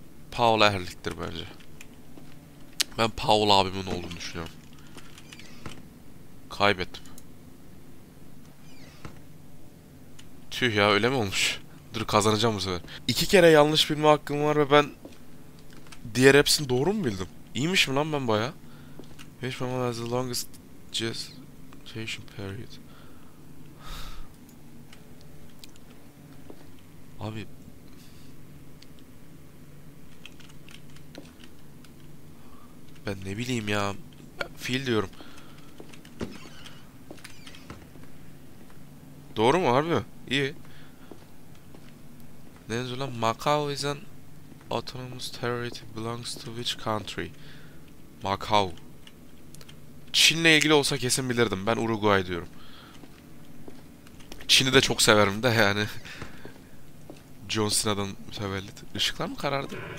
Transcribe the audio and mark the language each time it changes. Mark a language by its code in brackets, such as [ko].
[tr] Paul Ehrlich'tir bence. Ben Paul abimin olduğunu düşünüyorum. Kaybettim. Tüh ya, öyle mi olmuş? Dur, kazanacağım bu sefer. İki kere yanlış bilme hakkım var ve ben Diğer hepsini doğru mu bildim? İyiymiş mi lan ben baya? [en] Which mammal has the longest gestation period? [tr] Abi. Ben ne bileyim ya. Fil diyorum. Doğru mu harbi? İyi. Ne yazıyor lan? [en] Macau is an autonomous territory belongs to which country? [tr] Macau. Çin'le ilgili olsa kesin bilirdim. Ben Uruguay diyorum. Çin'i de çok severim de yani. John Cena'dan mütevellit. Işıklar mı karardı?